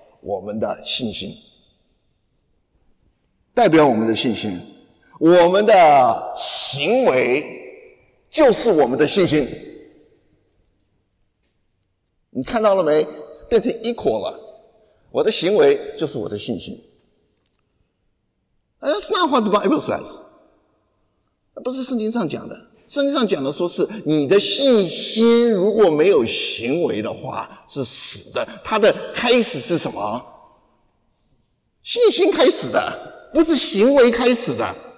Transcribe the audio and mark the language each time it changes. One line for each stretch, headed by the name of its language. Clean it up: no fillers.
Chinese: 我们的信心，代表我们的信心，我们的行为就是我们的信心。你看到了没？变成一伙了。我的行为就是我的信心。
English: That's not what the Bible says.
Chinese: 不是圣经上讲的。圣经上讲的说是你的信心如果没有行为的话是死的。它的开始是什么？信心开始的，不是行为开始的。